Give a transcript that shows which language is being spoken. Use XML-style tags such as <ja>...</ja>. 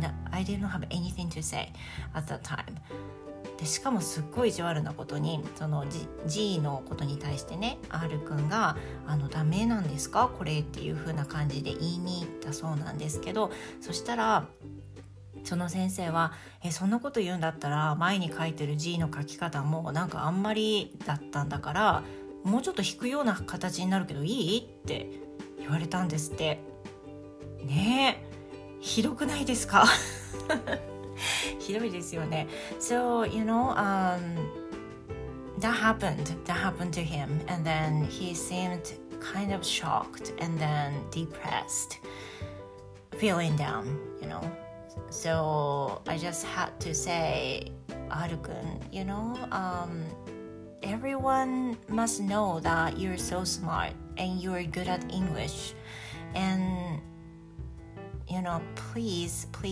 <en>I didn't have anything to say at that time.</en> <ja>でしかもすっごい意地悪なことに、その G のことに対してね、 R 君がダメなんですかこれっていう風な感じで言いに行ったそうなんですけど、そしたらその先生は、そんなこと言うんだったら前に書いてる G の書き方もなんかあんまりだったんだから、もうちょっと引くような形になるけどいいって言われたんですって。ねえ、ひどくないですか？ひどいですよね。</ja> <en>So, you know, that happened to him, and then he seemed kind of shocked and then depressed, feeling down, you know. So I just had to say, Arukun, you know, everyone must know that you're so smart and you're good at English, andYou know, please,</en>